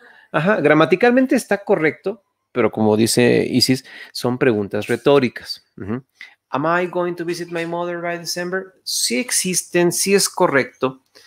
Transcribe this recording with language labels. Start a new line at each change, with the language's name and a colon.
Spanish: Gramaticalmente está correcto, pero como dice Isis, son preguntas retóricas. Uh-huh.
English: Am I going to visit my mother by December?
Spanish: Sí existen, sí es correcto.